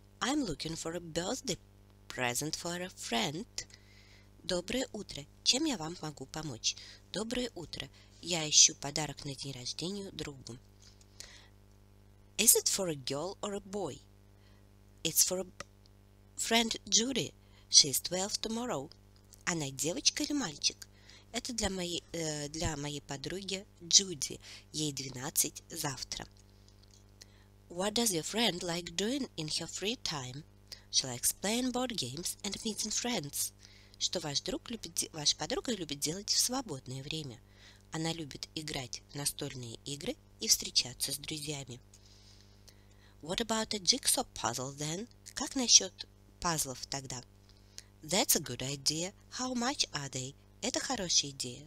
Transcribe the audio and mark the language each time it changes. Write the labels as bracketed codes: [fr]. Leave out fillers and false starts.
[en] I'm looking for a birthday present for a friend. [ru] Доброе утро. Чем я вам могу помочь? Доброе утро. Я ищу подарок на день рождения другу. [en] Is it for a girl or a boy? It's for a friend Judy. She's 12 tomorrow. [ru] Она девочка или мальчик? Это для моей подруги Джуди. Ей 12 завтра. [en] What does your friend like doing in her free time? She likes playing board games and meeting friends. [ru] Что ваша подруга любит делать в свободное время? Она любит играть в настольные игры и встречаться с друзьями. [en] What about a jigsaw puzzle then? [ru] Как насчет пазлов тогда? [en] That's a good idea. How much are they? [ru] Это хорошая идея.